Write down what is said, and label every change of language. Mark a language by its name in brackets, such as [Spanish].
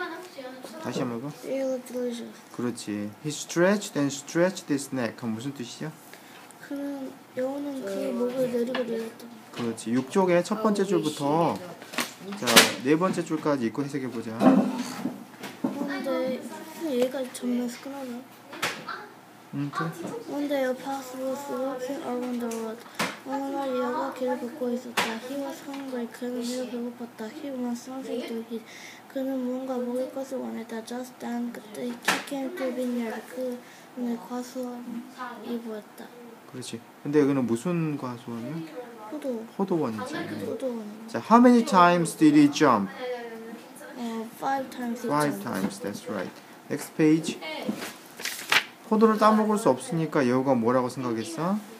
[Korean] 하세요. 다시 한번 읽어. 그렇지. [English] He stretched and stretched his neck. [Korean] 그럼 무슨 뜻이죠? 그럼 영어는 그 목을 내리고 내렸다. 그렇지. 6쪽에 첫 번째 줄부터 자, 네 번째 줄까지 읽고 해석해 보자. 근데 얘가 전면 스크롤이야. 그래. [English] One day a fox was walking along the road. [Korean] 어느 날 여우가 길을 걷고 있었다. [English] He was hungry. [Korean] 그는 매우 배고팠다. [English] He wants something to eat. [Korean] 그는 뭔가 먹을 것을 원했다. [English] Just then, 그때 he came to a vineyard. [Korean] 그는 과수원이 보였다. 그렇지. 근데 여기는 무슨 과수원이야? 포도. 포도원이지. 포도원. [English] 자, how many times did he jump? Five times. That's right. Next page. [Korean] 포도를 따먹을 수 없으니까 여우가 뭐라고 생각했어?